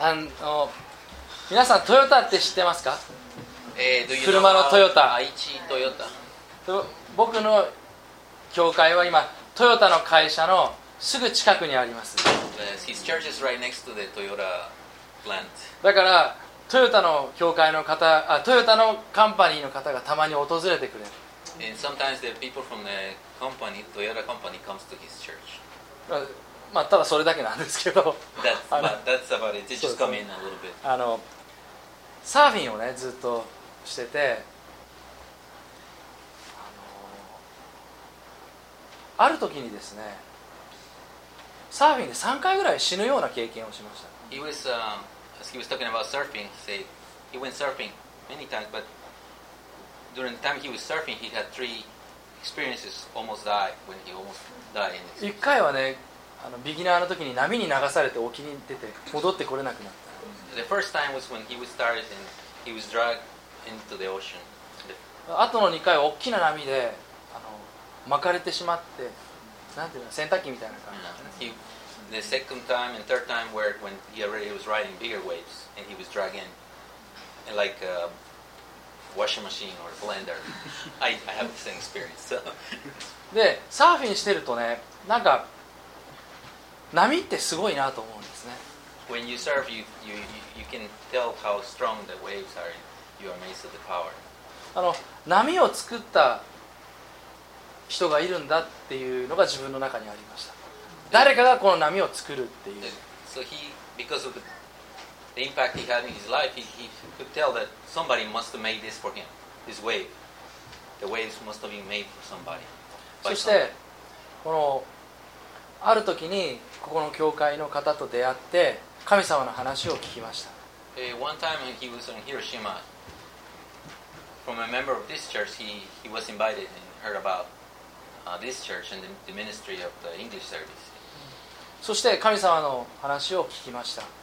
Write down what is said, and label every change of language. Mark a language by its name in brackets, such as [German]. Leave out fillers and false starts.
[Japanese] あの皆さんトヨタって知ってますか？ [English] Do you know [Japanese] 車のトヨタ。愛知トヨタ。僕の教会は今トヨタの会社のすぐ近くにあります。 [English] His church is right next to the Toyota plant. [Japanese] だからトヨタの教会の方、あ、トヨタのカンパニーの方がたまに訪れてくれる。 [English] And sometimes the people from the company, Toyota company, comes to his church. [Japanese] まあただそれだけなんですけど。 [English] That's about it. They just come in a little bit. [Japanese] あのサーフィンをねずっとしてて、ある時にですね。サーフィンで3回ぐらい死ぬような経験をしました。 [English] He was, as he was talking about surfing, he said he went surfing many times, but during the time he was surfing, he had three experiences, almost die, when he almost died. [Japanese] 一回はね、あのビギナーの時に波に流されて沖に出て戻ってこれなくなった。 [English] The first time was when he was started and he was dragged into the ocean. [Japanese] あとの2回は大きな波で、あの巻かれてしまって、なんていうの、洗濯機みたいな感じ。 [English] The second time and third time were when he already was riding bigger waves and he was dragging and like a washing machine or a blender. I have the same experience. So. [Japanese] で、サーフィンしてるとね、なんか波ってすごいなと思うんですね。 [English] When you surf, you can tell how strong the waves are. You are amazed at the power. [Japanese] あの、波を作った人がいるんだっていうのが自分の中にありました。誰かがこの波を作るっていう。 [English] So he, because of the impact he had in his life, he could tell that somebody must have made this for him, this wave. The waves must have been made for somebody. [Japanese] そして、このある時にここの教会の方と出会って神様の話を聞きました。 [English] One time he was in Hiroshima, from a member of this church, he was invited and heard about this church and the ministry of the English service. [Japanese] そして神様の話を聞きました。